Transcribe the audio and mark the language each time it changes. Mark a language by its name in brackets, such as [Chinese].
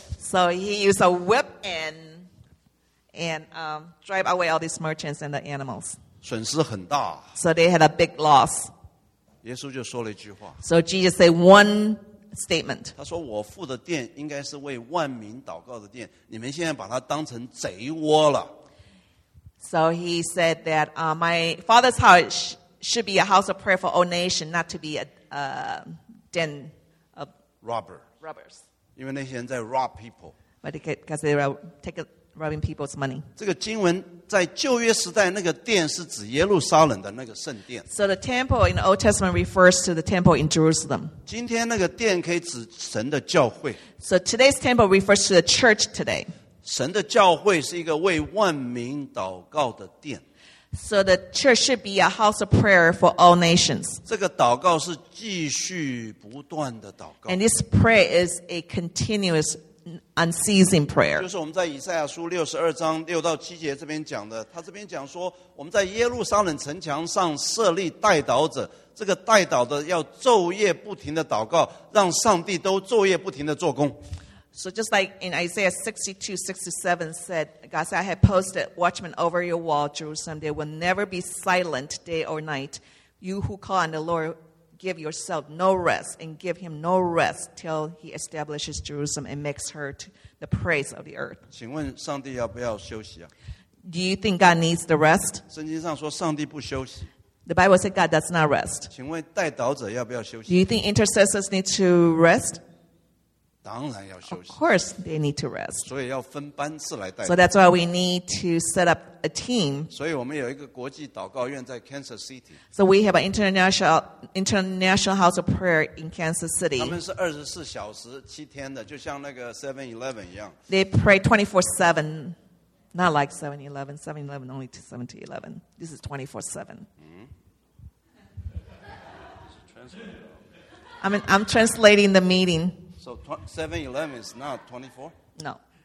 [English] So he used a whip and drive away all these merchants and the animals. [Chinese] 损失很大。 [English] So they had a big loss. [Chinese] 耶稣就说了一句话。 [English] So Jesus said one statement. [Chinese] 他说我父的殿应该是为万民祷告的殿，你们现在把它当成贼窝了。 [English] So he said that my father's house should be a house of prayer for all nations, not to be a den of robbers. [Chinese] 因为那些人在 [English] rob people. But because they take robbing people's money. [Chinese] 这个经文在旧约时代，那个殿是指耶路撒冷的那个圣殿。 [English] So the temple in the Old Testament refers to the temple in Jerusalem. [Chinese] 今天那个殿可以指神的教会。 [English] So today's temple refers to the church today. [Chinese] 神的教会是一个为万民祷告的殿。 [English] So the church should be a house of prayer for all nations. [Chinese] 这个祷告是继续不断的祷告。 [English] And this prayer is a continuous prayer. Unceasing prayer. [Chinese] 就是我们在以赛亚书六十二章六到七节这边讲的，他这边讲说，我们在耶路撒冷城墙上设立代祷者，这个代祷的要昼夜不停的祷告，让上帝都昼夜不停的做工。 [English] So just like in Isaiah 62:67 said, God said, I have posted watchmen over your wall, Jerusalem. They will never be silent day or night. You who call on the Lord. Give yourself no rest and give him no rest till he establishes Jerusalem and makes her the praise of the earth. [Chinese] 请问上帝要不要休息啊? [English] Do you think God needs the rest? [Chinese] 圣经上说上帝不休息。 [English] The Bible says God does not rest. [Chinese] 请问代祷者要不要休息? [English] Do you think intercessors need to rest? [Chinese] 当然要休息。 [English] Of course they need to rest. [Chinese] 所以要分班次来代祷。 [English] So that's why we need to set up a team. [Chinese] 所以我们有一个国际祷告院在 Kansas City. [English] So we have an international house of prayer in Kansas City. [Chinese] 他们是二十四小时七天的，就像那个 7-Eleven 一样。 [English] They pray 24/7, not like 7-Eleven. 7-Eleven only to 7-Eleven. This is 24/7. I'm translating the meeting. So 7-Eleven is not 24? No.